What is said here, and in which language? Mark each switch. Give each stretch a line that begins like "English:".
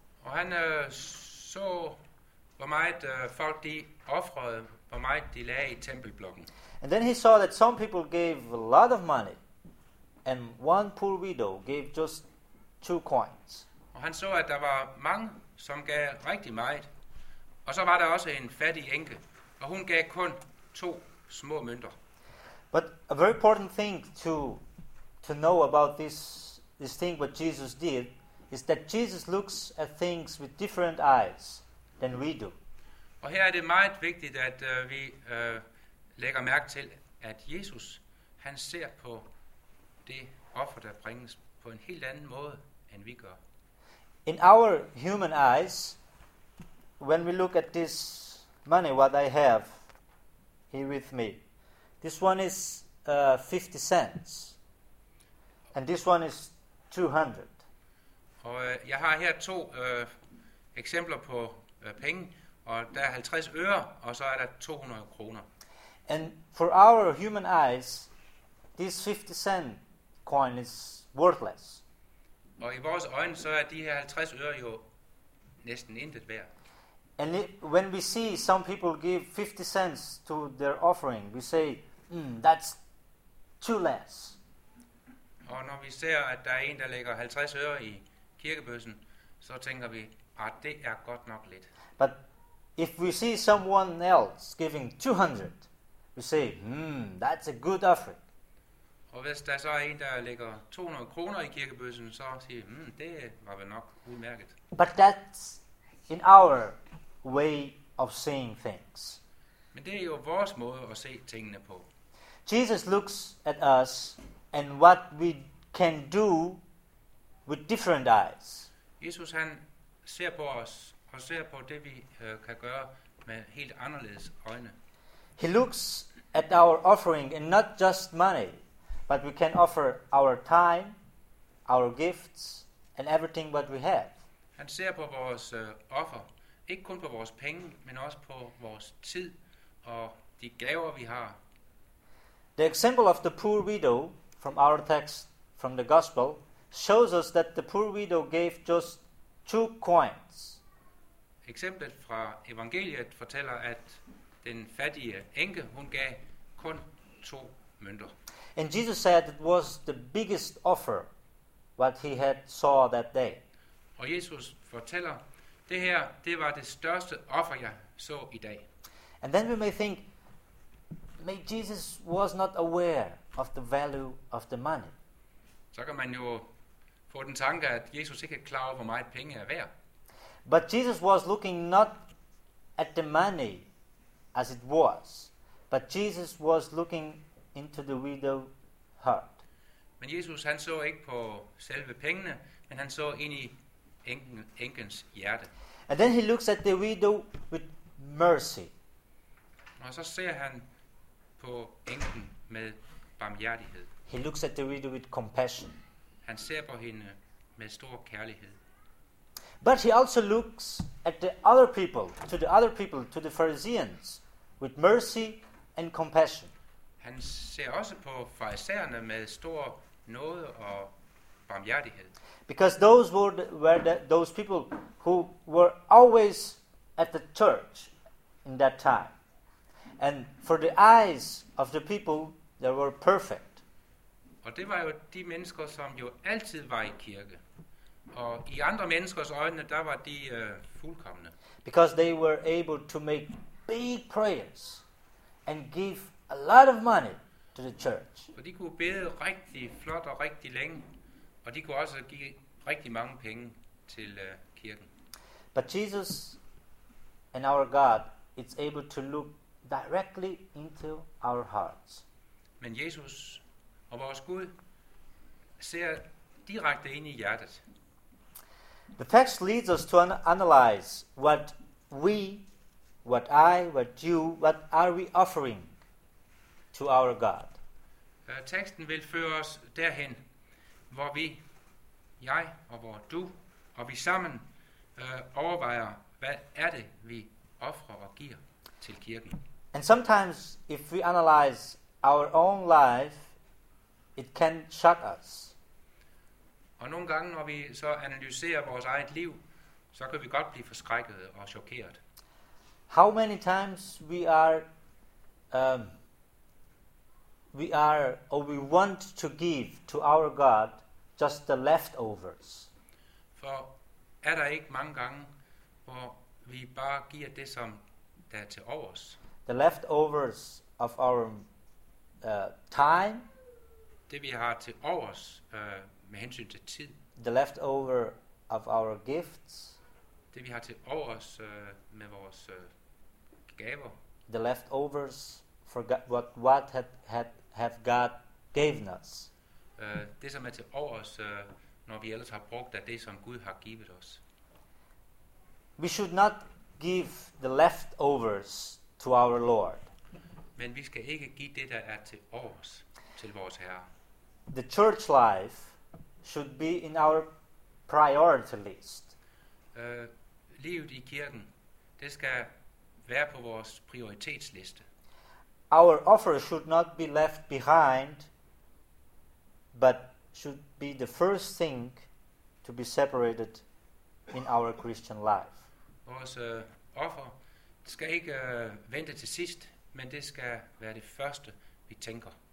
Danish: Og han så hvor meget folk de ofrede, hvor meget de lagde i tempelblokken.
English: And then he saw that some people gave a lot of money. And one poor widow gave just 2 coins.
Danish: Og han så, at der var mange, som gav rigtig meget. Og så var der også en fattig enke, og hun gav kun 2 små mønter.
English: But a very important thing to know about this thing what Jesus did is that Jesus looks at things with different eyes than we do.
Danish: Og her er det meget vigtigt, at vi lægger mærke til, at Jesus han ser på det offer der bringes på en helt anden måde end vi gør.
English: In our human eyes, when we look at this money what I have here with me, this one is 50 cents and this one is 200.
Danish: Og jeg har her 2 eksempler på penge, og der er 50 øre og så er der 200 kroner.
English: And for our human eyes, this 50 cent coin is worthless.
Danish: Og i vores øjne så er de her 50 øre jo næsten intet værd.
English: And when we see some people give 50 cents to their offering, we say, that's too less.
Danish: Og når vi ser at der er en der lægger 50 øre i kirkebøssen, så tænker vi, det er godt nok lidt.
English: But If we see someone else giving 200, we say, that's a good offering.
Danish: Og hvis der så er en der lægger 200 kroner i kirkebøssen, så siger, det var vel nok udmærket.
English: But that's in our way of seeing things.
Danish: Men det er jo vores måde at se tingene på.
English: Jesus looks at us and what we can do with different eyes.
Danish: Jesus han ser på os og ser på det vi kan gøre med helt anderledes øjne.
English: He looks at our offering and not just money, but we can offer our time, our gifts and everything what we have.
Danish: Han ser på vores offer, ikke kun på vores penge, men også på vores tid og de gaver vi har.
English: The example of the poor widow from our text from the gospel shows us that the poor widow gave just 2 coins.
Danish: Eksemplet fra evangeliet fortæller at den fattige enke hun gav kun 2 mønter.
English: And Jesus said it was the biggest offer what he had saw that day.
Danish: Og Jesus fortæller det her det var det største offer jeg så i dag.
English: And then we may think maybe Jesus was not aware of the value of the money.
Danish: Så kan man jo få den tanke at Jesus ikke er klar over hvor meget penge er værd.
English: But Jesus was looking not at the money as it was, but Jesus was looking into the widow's heart.
Danish: Men Jesus han så ikke på selve pengene, men han så ind i enkens hjerte.
English: And then he looks at the widow with mercy.
Danish: Og så ser han på enken med barmhjertighed.
English: He looks at the widow with compassion.
Danish: Han ser på hende med stor kærlighed.
English: But he also looks at the other people, to the Pharisees, with mercy and compassion.
Danish: Han ser også på farisæerne med stor nåde og barmhjertighed.
English: Because those were those people who were always at the church in that time. And for the eyes of the people, they were perfect.
Danish: Og det var jo de mennesker, som jo altid var i kirke. Og i andre menneskers øjne, der var de fuldkomne.
English: Because they were able to make big prayers and give a lot of money to the church.
Danish: Og de kunne bede rigtig flot og rigtig længe, og de kunne også give rigtig mange penge til kirken.
English: But Jesus and our God is able to look directly into our hearts.
Danish: Men Jesus og vores Gud ser direkte ind i hjertet.
English: The text leads us to analyze what we, what I, what you, what are we offering to our God.
Danish: Teksten vil føre os derhen, hvor vi, jeg og hvor du, og vi sammen overvejer, hvad er det, vi offrer og giver til kirken.
English: And sometimes, if we analyze our own life, it can shock us.
Danish: Og nogle gange, når vi så analyserer vores eget liv, så kan vi godt blive forskrækket og chokeret.
English: How many times we want to give to our God just the leftovers?
Danish: For er der ikke mange gange, hvor vi bare giver det, som der er til overs?
English: The leftovers of our time.
Danish: Det vi har til overs med hensyn til tid.
English: The leftover of our gifts.
Danish: Det vi har til overs med vores gaver.
English: The leftovers for what have God given us.
Danish: Det som er til overs når vi ellers har brugt af det som Gud har givet os.
English: We should not give the leftovers to our Lord.
Danish: Men vi skal ikke give det der er til os til vores Herre.
English: The church life should be in our priority list.
Danish: Livet i kirken, det skal være på vores prioritetsliste.
English: Our offer should not be left behind, but should be the first thing to be separated in our Christian life.
Danish: Vores offer skal ikke vente til sidst, men det skal være det første vi tænker.